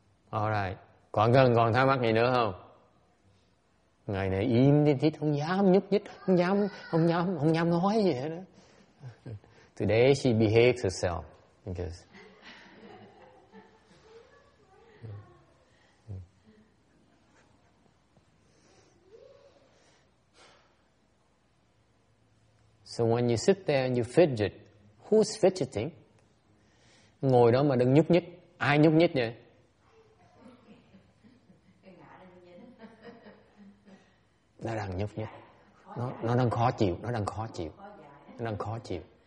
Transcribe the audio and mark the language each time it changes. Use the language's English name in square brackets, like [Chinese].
[English] All right, [Vietnamese] còn thắc mắc gì nữa không? Ngày này im đi thích, không dám nhúc nhích, không dám nói gì hết. [English] Today she behaves herself because so when you sit there and you fidget, who's fidgeting? [Vietnamese] Ngồi đó mà đừng nhúc nhích, ai nhúc nhích vậy? Nó đang nhúc nhích, nó đang khó chịu.